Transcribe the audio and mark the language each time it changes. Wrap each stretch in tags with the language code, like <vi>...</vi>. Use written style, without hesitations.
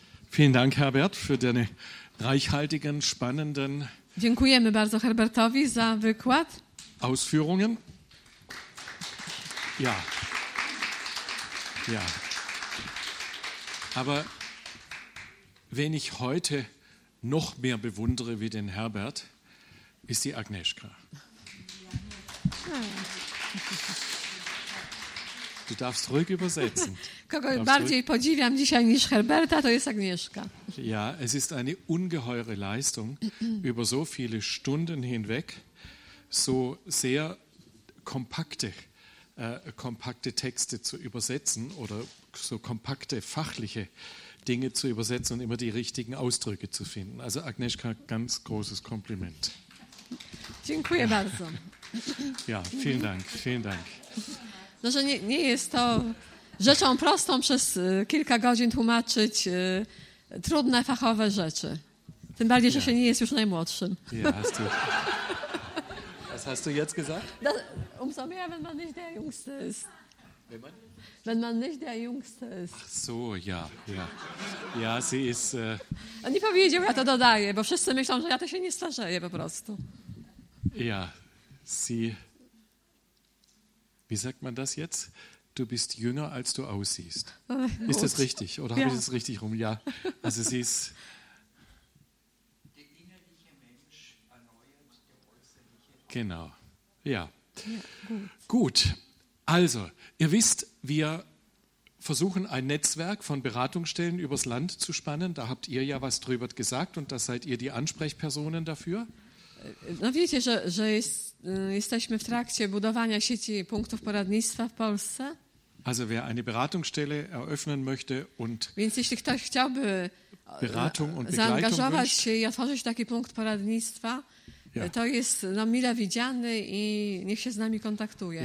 <de>Vielen Dank, Herbert, für deine reichhaltigen, spannenden.</de> <pl>Dziękujemy bardzo Herbertowi za wykład.</pl> <de>Ausführungen. Ja. Ja. Aber wen ich heute noch mehr bewundere wie den Herbert, ist die Agnieszka. Du darfst ruhig übersetzen.</de> <pl>Kogo bardziej podziwiam dzisiaj niż Herberta, to jest Agnieszka.</pl> <de>Ja, es ist eine ungeheure Leistung, über so viele Stunden hinweg so sehr kompakte Texte zu übersetzen oder so kompakte fachliche Dinge zu übersetzen und immer die richtigen Ausdrücke zu finden. Also Agnieszka, ganz großes Kompliment.</de> <pl>Dziękuję bardzo.</pl> <de>Ja, vielen Dank, vielen Dank.</de> <pl>No, że nie jest to rzeczą prostą przez kilka godzin tłumaczyć trudne, fachowe rzeczy. Tym bardziej, że się nie jest już najmłodszym.</pl> <de>Was hast du jetzt gesagt? Umso mehr, wenn man nicht der Jüngste ist. Wenn man? Wenn man nicht der Jüngste ist. Ach so, ja, ja. Ja, sie ist...</de> <pl>Nie powiedział, ja to dodaję, bo wszyscy myślą, że ja to się nie starzeję po prostu.</pl> <de>Ja, sie... Wie sagt man das jetzt? Du bist jünger, als du aussiehst. Gut. Ist das richtig? Oder habe ich das richtig rum? Ja, also sie ist... Der innerliche Mensch erneuert der äußerliche... Genau, ja. Ja, gut. Also, ihr wisst, wir versuchen ein Netzwerk von Beratungsstellen übers Land zu spannen. Da habt ihr ja was drüber gesagt und da seid ihr die Ansprechpersonen dafür.</de> <pl>No wiecie, że jesteśmy w trakcie budowania sieci punktów poradnictwa w Polsce.</pl> <de>Also wer eine Beratungsstelle eröffnen möchte und</de> <pl>Więc jeśli ktoś chciałby</pl> <de>Beratung und</de> <pl>zaangażować się i otworzyć taki punkt poradnictwa, to jest mile widziany i niech się z nami kontaktuje.</pl>